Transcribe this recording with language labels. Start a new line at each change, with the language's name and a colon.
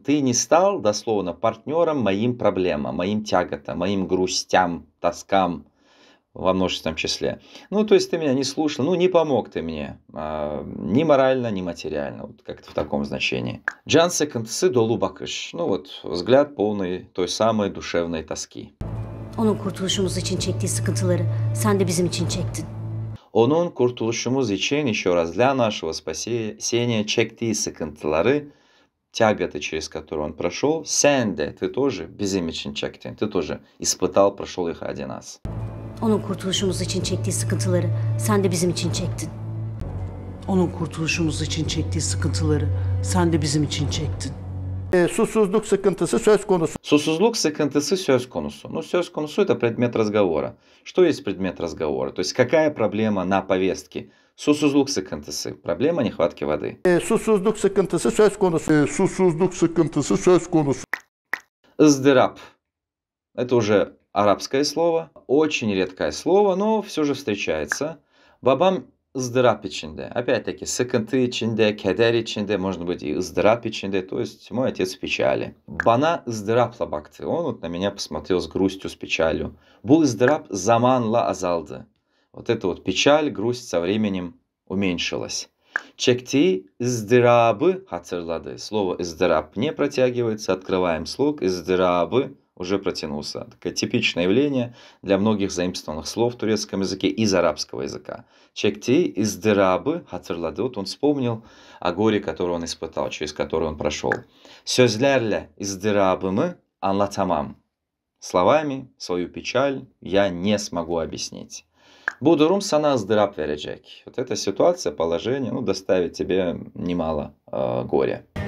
Russian: Ты не стал, дословно, партнером моим проблемам, моим тяготам, моим грустям, тоскам. Во множественном числе. Ну, то есть, ты меня не слушал, ну, не помог ты мне. Ни морально, ни материально. Вот как-то в таком значении.
Turkish: Джан секундсы долу бакыш.
Russian: Ну, вот, взгляд полный той самой душевной тоски.
Turkish: Onun kurtuluşumuz için çektiği sıkıntıları sen de bizim için çektin. Onun kurtuluşumuz için,
Russian: еще раз, для нашего спасения,
Turkish: çektiği sıkıntıları,
Russian: тяготы, через которые он прошел,
Turkish: sen de,
Russian: ты тоже,
Turkish: bizim için çektin.
Russian: Ты тоже испытал, прошел их ради нас.
Turkish: Onun kurtuluşumuz için çektiği sıkıntıları sen de bizim için çektin. Onun kurtuluşumuz için çektiği sıkıntıları sen de bizim için çektin. Susuzluk sıkıntısı söz konusu. Susuzluk sıkıntısı söz konusu.
Russian: Ну, söz konusu это предмет разговора. Что есть предмет разговора? То есть какая проблема на повестке?
Turkish: Susuzluk sıkıntısı.
Russian: Проблема нехватки воды.
Turkish: Susuzluk sıkıntısı söz konusu. Susuzluk sıkıntısı söz konusu. Izdırap.
Russian: Это уже арабское слово, очень редкое слово, но все же встречается.
Turkish: Бабам ızdırap içinde.
Russian: Опять-таки,
Turkish: sıkıntı içinde, keder içinde,
Russian: может быть, и
Turkish: ızdırap içinde,
Russian: то есть мой отец в печали.
Turkish: Bana ızdırapla baktı.
Russian: Он вот на меня посмотрел с грустью, с печалью.
Turkish: Bu ızdırap zamanla azaldı.
Russian: Вот эта вот печаль, грусть со временем уменьшилась.
Turkish: Çektiği ızdırabı hatırladı.
Russian: Слово ızdırap не протягивается, открываем слог ızdırabı. Уже протянулся. Такое типичное явление для многих заимствованных слов в турецком языке из арабского языка.
Turkish: Çekti ızdırabı hatırladı.
Russian: Вот он вспомнил о горе, которое он испытал, через которое он прошел.
Turkish: Sözlerle ızdırabımı anlatamam.
Russian: Словами свою печаль я не смогу объяснить.
Turkish: Bu durum sana ızdırap verecek.
Russian: Вот эта ситуация, положение, ну, доставит тебе немало горя.